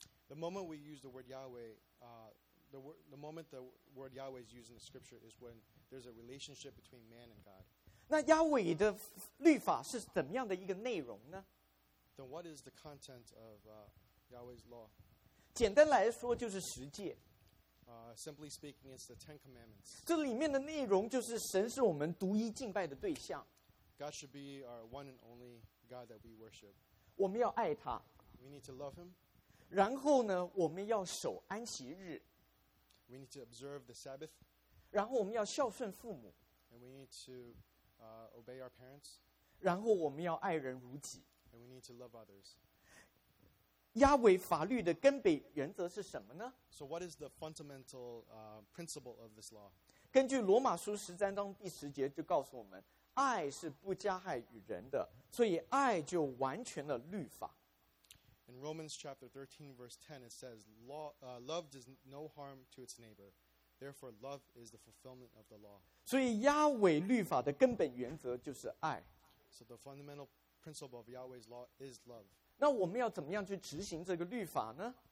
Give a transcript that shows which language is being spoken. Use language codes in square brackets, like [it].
[en] The moment we use the word Yahweh, The moment the word Yahweh is used in the scripture is when there's a relationship between man and God. [zh] 那亚伟的律法是怎么样的一个内容呢？ [en] Then what is the content of Yahweh's law? [zh] 简单来说就是十诫。 [en] Simply speaking, it's the Ten Commandments. [zh] 这里面的内容就是神是我们独一敬拜的对象。 [en] God should be our one and only God that we worship. [zh] 我们要爱他。 [en] We need to love him. [zh] 然后呢，我们要守安息日。 [en] We need to observe the Sabbath. [zh] 然后我们要孝顺父母。 [en] And we need to obey our parents. [zh] 然后我们要爱人如己。 [en] And we need to love others. [zh] 亚伟法律的根本原则是什么呢？ [en] So what is the fundamental principle of this law? [zh] 根据罗马书十三章第十节就告诉我们，爱是不加害于人的，所以爱就完全了律法。 [en] In Romans chapter 13, verse 10, it says, love does no harm to its neighbor. Therefore, love is the fulfillment of the law. [zh] 所以亚伟律法的根本原则就是爱。 [en] So the fundamental principle of Yahweh's law is love. [zh] 那我们要怎么样去执行这个律法呢？